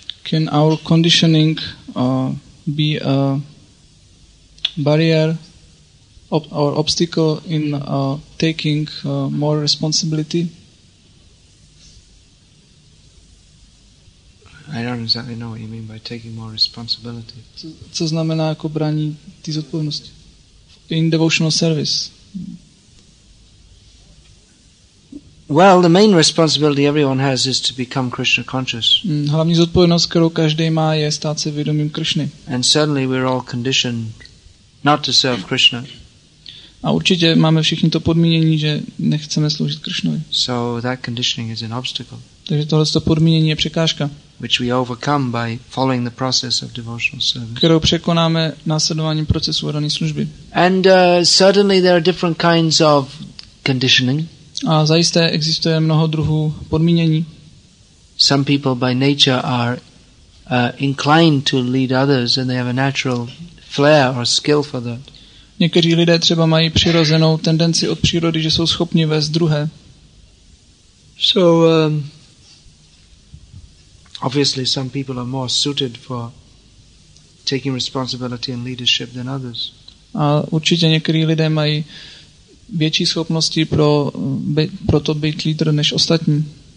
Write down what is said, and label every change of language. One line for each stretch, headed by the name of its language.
English: Can our conditioning be a barrier or obstacle in taking more responsibility? I don't exactly know what you mean by taking more responsibility.
Czech: Co znamená jako brání ty zodpovědnosti?
English: In devotional service. Well, the main responsibility everyone has is to become Krishna conscious.
Czech: Hlavní zodpovědnost, kterou každý má, je stát se vědomým Krishny.
English: And certainly we're all conditioned not to serve Krishna.
Czech: A určitě máme všichni to podmínění, že nechceme sloužit Krishnovi.
English: So that conditioning is an obstacle.
Czech: Takže tohle to podmínění je překážka.
English: Which we overcome by following the process of devotional service.
Czech: Kterou překonáme následováním procesu odané služby.
English: And certainly there are different kinds of conditioning.
Czech: A zajisté existuje mnoho druhů podmínění.
English: Some people by nature are inclined to lead others and they have a natural flair or skill for that.
Czech: Někteří lidé třeba mají přirozenou tendenci od přírody, že jsou schopni vést druhé.
English: So obviously some people are more suited for taking responsibility and leadership than others.
Czech: A určitě někteří lidé mají větší schopnosti pro to být lídr než ostatní.